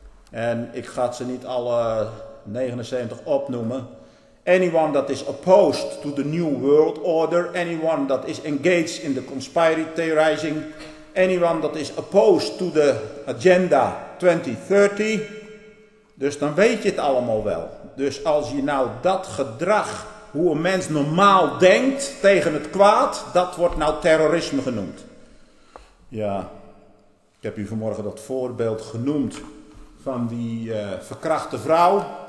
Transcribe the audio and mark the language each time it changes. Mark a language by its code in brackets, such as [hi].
[nl] En ik ga ze niet alle 79 opnoemen. [en] Anyone that is opposed to the new world order. Anyone that is engaged in the conspiracy theorizing. Anyone that is opposed to the agenda 2030. [nl] Dus dan weet je het allemaal wel. Dus als je nou dat gedrag, hoe een mens normaal denkt tegen het kwaad, dat wordt nou terrorisme genoemd. Ja, ik heb u vanmorgen dat voorbeeld genoemd van die verkrachte vrouw.